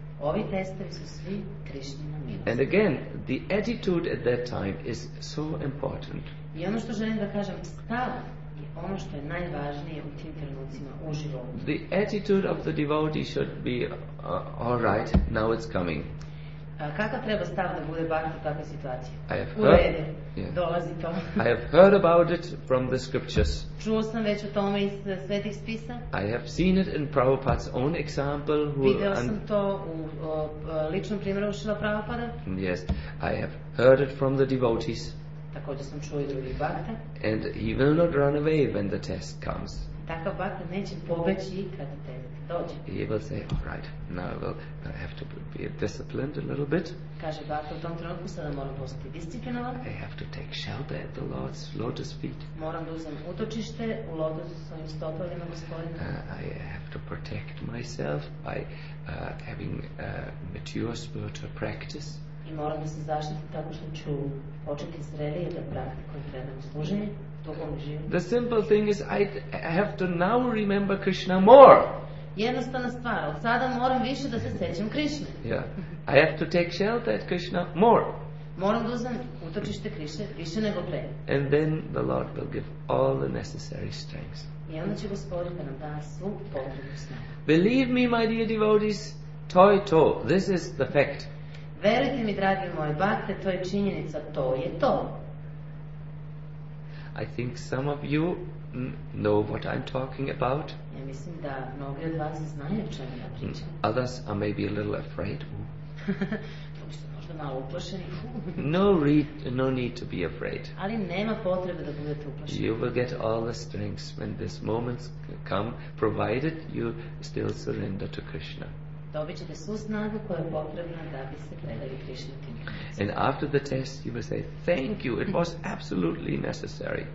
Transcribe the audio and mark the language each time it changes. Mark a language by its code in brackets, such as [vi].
[sr] Ovi testovi su svi Krishnina milost. [en] And again, the attitude at that time is so important. [sr] I ono što želim da kažem, stav je ono što je najvažnije u tim trenucima u životu. [en] The attitude of the devotee should be all right, now it's coming. [sr] Kakav treba stav da bude bar u takvoj situaciji? [en] I have heard, yeah. [sr] Dolazi to. [en] I have heard about it from the scriptures. [sr] Čuo sam već o tome iz svetih spisa. [en] I have seen it in Prabhupada's own example. [sr] Video sam to u ličnom primjeru Šrila Prabhupada. [en] Yes, I have heard it from the devotees. [sr] Također sam čuo i drugih bhakta. [en] And he will not run away when the test comes. [sr] Takav bhakta neće pobeći kad test dođe. [en] He will say, all right, now I have to be disciplined a little bit. [sr] Kaže bhakta, u tom trenutku sada moram postati disciplinovan. [en] I have to take shelter at the Lord's lotus feet. [sr] Moram da uzem utočište u lotus svojim stopovima, gospodine. [en] I have to protect myself by having a mature spiritual practice. [sr] I moram da se zaštitim tako što ću početi zrelije da praktikujem vrednom služenje. [en] The simple thing is I have to now remember Krishna more. [sr] Jednostavna stvar, od sada moram više da se sećam Krishne. [en] Yeah. I have to take shelter at Krishna more. [sr] Moram da uzem utočište Krishne više nego pre. [en] And then the Lord will give all the necessary strength. [sr] I onda će Gospodin da nam da svu potrebnu snagu. [en] Believe me, my dear devotees, toj to, this is the fact. [sr] Verujte mi, dragi moji bhakte, to je činjenica, to je to. [en] I think some of you know what I'm talking about. [sr] Ja mislim da mnogi od vas znaju o čemu ja pričam. [en] Others are maybe a little afraid. [sr] Mnogi su možda malo uplašeni. [en] No need to be afraid. [sr] Ali nema potrebe da budete uplašeni. [en] You will get all the strengths when this moment come, provided you still surrender to Krishna. [sr] Dobit ćete svu snagu koja je potrebna da bi se predali Krishna tim. [en] And after the test you will say thank you, it was absolutely necessary.